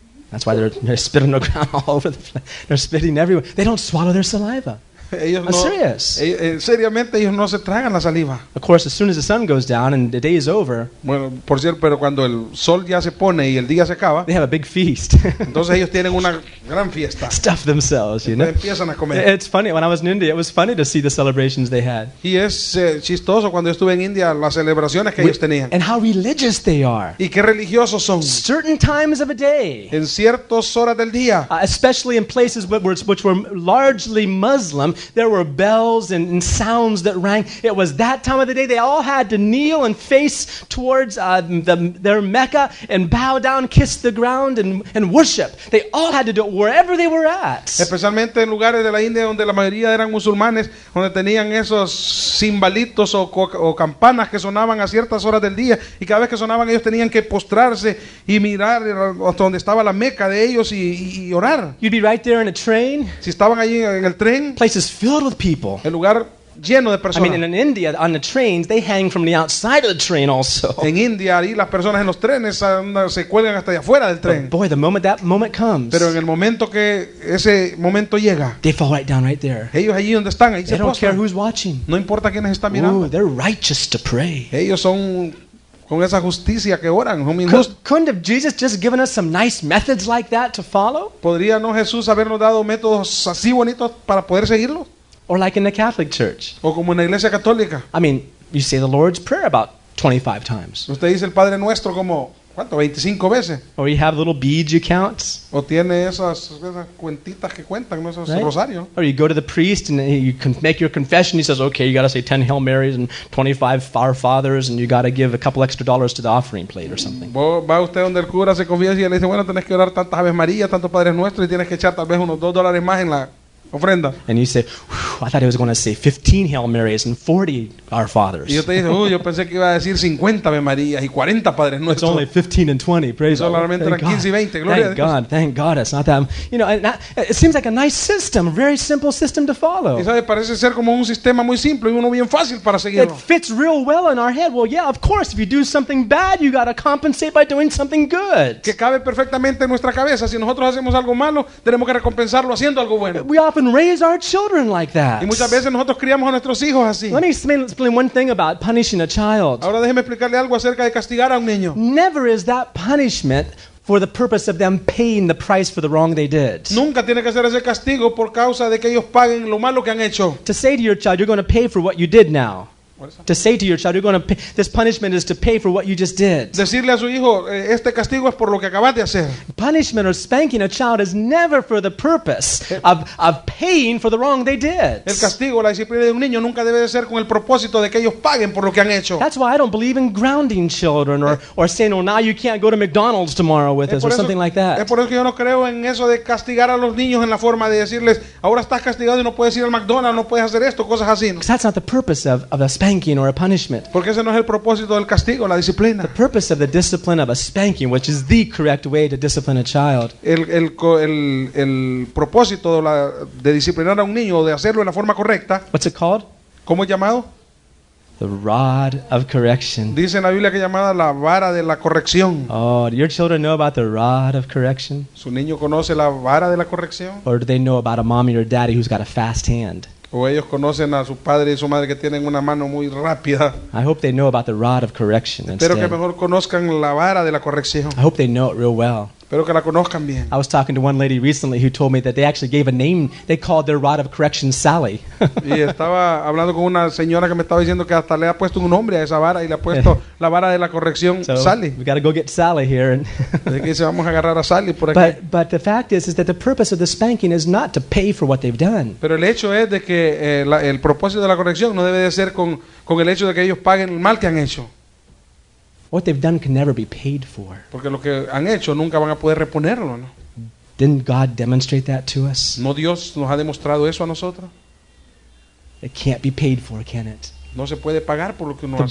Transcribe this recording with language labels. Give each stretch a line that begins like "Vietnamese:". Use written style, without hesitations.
English: That's why they're spitting the ground all over the place. They're spitting everywhere. They don't swallow their saliva.
Spanish: Ellos no se tragan la saliva.
English: Of course, as soon as the sun goes down and the day is over,
Spanish: bueno, por cierto, pero cuando el sol ya se pone y el día se acaba,
English: they have a big feast.
Spanish: Entonces ellos tienen una gran fiesta.
English: Stuff themselves, you know.
Spanish: Empiezan a comer.
English: It's funny, when I was in India, it was funny to see the celebrations they had.
Spanish: Y es chistoso cuando yo estuve en India las celebraciones que ellos tenían.
English: And how religious they are.
Spanish: Y qué religiosos son.
English: Certain times of a day.
Spanish: En ciertas horas del día.
English: Especially in places which were largely Muslim. There were bells and sounds that rang. It was that time of the day. They all had to kneel and face towards their Mecca and bow down, kiss the ground and worship. They all had to do it wherever they were at.
Spanish: Especialmente en lugares de la India donde la mayoría eran musulmanes, donde tenían esos cimbalitos o campanas que sonaban a ciertas horas del día, y cada vez que sonaban ellos tenían que postrarse y mirar hasta donde estaba la Mecca de ellos y orar.
English: You'd be right there in a train.
Spanish: Si estaban allí en el tren.
English: Places filled with people.
Spanish: El lugar lleno de personas.
English: I mean, in India, on the trains, they hang from the outside of the train also.
Spanish: En India, ahí las personas en los trenes se cuelgan hasta allá afuera del tren.
English: But boy, the moment that moment comes.
Spanish: Pero en el momento que ese momento llega.
English: They fall right down right there.
Spanish: Ellos allí donde están, ahí se postran.
English: They don't care who's watching.
Spanish: No importa quiénes están mirando.
English: Ooh, they're righteous to pray.
Spanish: Ellos son con esa justicia que oran.
English: Couldn't have Jesus just given us some nice methods like that to follow?
Spanish: ¿Podría no Jesús habernos dado métodos así bonitos para poder seguirlo?
English: Or like in the Catholic Church.
Spanish: O como en la Iglesia Católica.
English: I mean, you say the Lord's Prayer about 25 times.
Spanish: Usted dice el Padre Nuestro como, ¿cuánto? 25 veces.
English: Or you have little beads you count.
Spanish: O tiene esas cuentitas que cuentan, ¿no? Esos,
English: right?
Spanish: Rosarios.
English: Or you go to the priest and you can make your confession. He says, okay, you got to say 10 Hail Marys and 25 Our Fathers, and you got to give a couple extra dollars to the offering plate or something.
Spanish: Va usted donde el cura se confiesa y le dice, bueno, tenés que orar tantas Aves Marías, tantos Padres Nuestros, y tienes que echar tal vez unos $2 más en la ofrenda.
English: And you say, whew, I thought he was going to say 15 Hail Marys and 40 Our Fathers.
Spanish: Y yo te dije, yo pensé que iba a decir 50 Ave Marías y 40 Padres Nuestros.
English: It's only 15 and 20, praise God.
Spanish: Solamente eran 15 y 20, gloria a Dios.
English: Thank God, it's not that, you know, it seems like a nice system, a very simple system to follow.
Spanish: Y sabe, parece ser como un sistema muy simple y uno bien fácil para seguirlo.
English: It fits real well in our head. Well, yeah, of course, if you do something bad, you got to compensate by doing something good.
Spanish: Que cabe perfectamente en nuestra cabeza. Si nosotros hacemos algo malo, tenemos que recompensarlo haciendo algo bueno.
English: We often raise our children like that.
Spanish: Y muchas veces nosotros criamos a nuestros hijos así.
English: Explain one thing about punishing a child.
Spanish: Ahora déjeme explicarle algo acerca de castigar a un niño.
English: Never is that punishment for the purpose of them paying the price for the wrong they did.
Spanish: Nunca tiene que ser ese castigo por causa de que ellos paguen lo malo que han hecho.
English: To say to your child, you're going to pay for what you did now. To say to your child, you're going to pay, this punishment is to pay for what you just did.
Spanish: Decirle a su hijo, este castigo es por lo que acabas de hacer.
English: Punishment or spanking a child is never for the purpose of paying for the wrong they did.
Spanish: El castigo, la disciplina de un niño nunca debe de ser con el propósito de que ellos paguen por lo que han hecho.
English: That's why I don't believe in grounding children or saying, oh, now you can't go to McDonald's tomorrow with us or something like that.
Spanish: Es por eso que yo no creo en eso de castigar a los niños en la forma de decirles, ahora estás castigado y no puedes ir al McDonald's, no puedes hacer esto, cosas así.
English: Because that's not the purpose of a spanking or a punishment.
Spanish: Porque ese no es el propósito del castigo, la disciplina.
English: The purpose of the discipline of a spanking, which is the correct way to discipline a child.
Spanish: El propósito de disciplinar a un niño o de hacerlo en la forma correcta.
English: What's it called?
Spanish: ¿Cómo es llamado?
English: The rod of correction.
Spanish: Dice en la Biblia que llamada la vara de la corrección.
English: Oh, do your children know about the rod of correction?
Spanish: ¿Su niño conoce la vara de la corrección?
English: Or do they know about a mommy or daddy who's got a fast hand?
Spanish: O ellos conocen a su padre y su madre que tienen una mano muy rápida.
English: I hope they know about the rod of correction.
Spanish: Espero que mejor conozcan la vara de la corrección.
English: I hope they know it real well.
Spanish: Espero que la conozcan bien.
English: I was talking to one lady recently who told me that they actually gave a name. They called their rod of correction Sally.
Spanish: Y estaba hablando con una señora que me estaba diciendo que hasta le ha puesto un nombre a esa vara y le ha puesto la vara de la corrección Sally.
English: We got to go get Sally here.
Spanish: Así que vamos a agarrar a Sally por aquí.
English: But the fact is that the purpose of the spanking is not to pay for what they've done.
Spanish: Pero el hecho es de que el propósito de la corrección no debe de ser con el hecho de que ellos paguen el mal que han hecho.
English: What they've done can never be paid for.
Spanish: Porque lo que han hecho nunca van a poder reponerlo, ¿no?
English: Didn't God demonstrate that to us?
Spanish: ¿No Dios nos ha demostrado eso a nosotros?
English: It can't be paid for, can it?
Spanish: No se puede pagar por lo que uno hace.